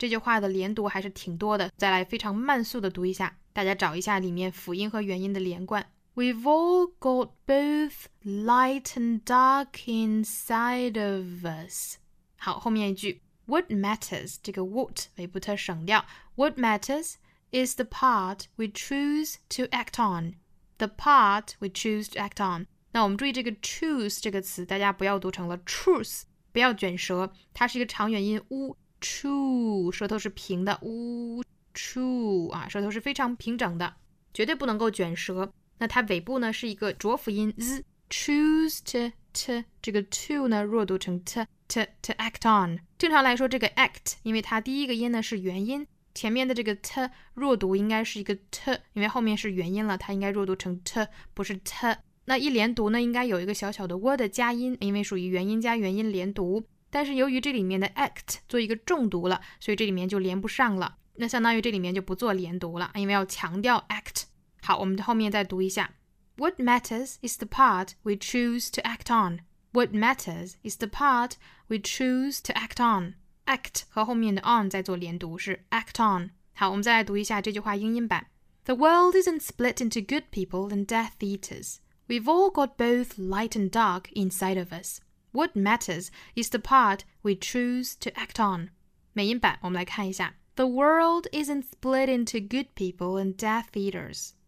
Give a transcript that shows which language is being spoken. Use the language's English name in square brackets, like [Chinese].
[Chinese] 这句话的连读还是挺多的。再来非常慢速的读一下，大家找一下里面辅音和元音的连贯。 [English] We've all got both light and dark inside of us. [Chinese] 好，后面一句 [English] What matters? [Chinese] 这个 what 没不特省掉 [English] What matters is the part we choose to act on. The part we choose to act on. [Chinese] 那我们注意这个 choose 这个词，大家不要读成了 truth， 不要卷舌，它是一个长元音 u true， 舌头是平的 u true 啊，舌头是非常平整的，绝对不能够卷舌。那它尾部呢是一个浊辅音 z， choose to t， 这个 to 呢弱读成 t t to act on。正常来说，这个 act， 因为它第一个音呢是元音，前面的这个 t 弱读应该是一个 t， 因为后面是元音了，它应该弱读成 t， 不是 t。那一连读呢，应该有一个小小的 w 的加音，因为属于元音加元音连读。但是由于这里面的 act 做一个重读了，所以这里面就连不上了。那相当于这里面就不做连读了，因为要强调 act。好，我们后面再读一下。 [English] What matters is the part we choose to act on. What matters is the part we choose to act on. [Chinese] Act 和后面的 on 在做连读，是 act on。好，我们再来读一下这句话英音版。 [English] The world isn't split into good people and death eaters. We've all got both light and dark inside of us. What matters is the part we choose to act on. [Chinese] 美音版，我们来看一下。 [English] The world isn't split into good people and death eaters.